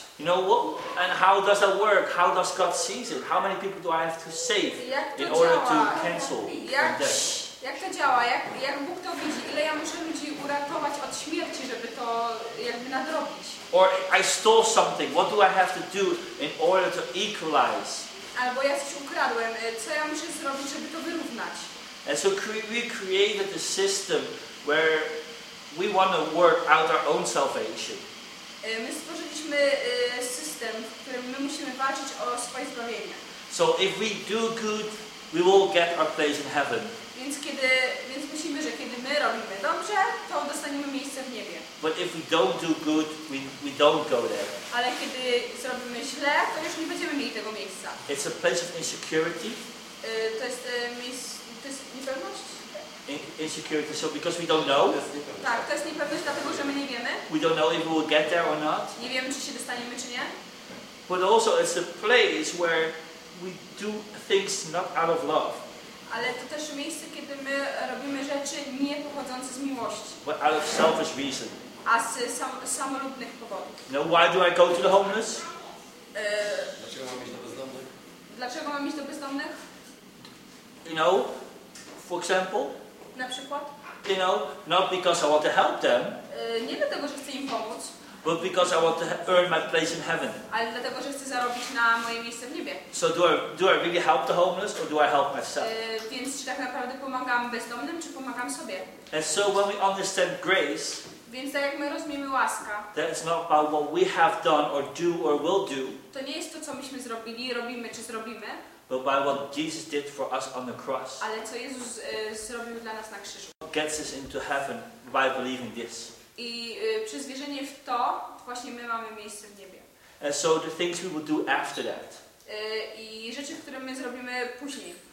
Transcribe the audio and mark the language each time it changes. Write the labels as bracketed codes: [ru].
[en] You know what? And how does that work? How does God see it? How many people do I have to save in order [pl] działa? [en] To cancel? [pl] Jak to działa? Jak Bóg to widzi? Ile ja muszę ludzi uratować od śmierci, żeby to jakby nadrobić? [en] Or I stole something. What do I have to do in order to equalize? [pl] Albo ja coś ukradłem, co ja muszę zrobić, żeby to wyrównać? [en] And so we created a system where we want to work out our own salvation. [pl] My stworzyliśmy system, w którym my musimy walczyć o swoje zbawienie. [en] So if we do good, we will get our place in heaven. [pl] Więc myślimy, że kiedy my robimy dobrze, to dostaniemy miejsce w niebie. [en] But if we don't do good, we don't go there. [pl] Ale kiedy zrobimy źle, to już nie będziemy mieli tego miejsca. [en] It's a place of insecurity. [pl] To jest niepewność. [en] Insecurity, so because we don't know. [pl] Tak, to jest niepewność, dlatego że my nie wiemy. [en] We don't know if we will get there or not. [pl] Nie wiemy, czy się dostaniemy, czy nie. [en] But also it's a place where we do things not out of love. [pl] Ale to też miejsce, kiedy my robimy rzeczy nie pochodzące z miłości. [en] But out of selfish reason. [pl] A z samolubnych powodów. [en] No, why do I go to the homeless? [pl] Dlaczego mam iść do bezdomnych? Dlaczego mam iść do bezdomnych? [en] You know, for example. [pl] Na przykład? [en] You know, not because I want to help them. [pl] Nie dlatego, że chcę im pomóc. [en] But because I want to earn my place in heaven. [pl] Ale dlatego, że chcę zarobić na moje miejsce w niebie. [en] So do I really help the homeless or do I help myself? [pl] Więc czy tak naprawdę pomagam bezdomnym, czy pomagam sobie? [en] And so when we understand grace, [pl] więc tak jak my rozumiemy łaska, [en] that is not about what we have done or do or will do. [pl] To nie jest to, co myśmy zrobili, robimy czy zrobimy. [en] But by what Jesus did for us on the cross. [pl] Ale co Jezus zrobił dla nas na krzyżu. [en] Gets us into heaven by believing this. [pl] I przez wierzenie w to właśnie my mamy miejsce w niebie. [en] And so the things we will do after that. [pl] I rzeczy, które my zrobimy później.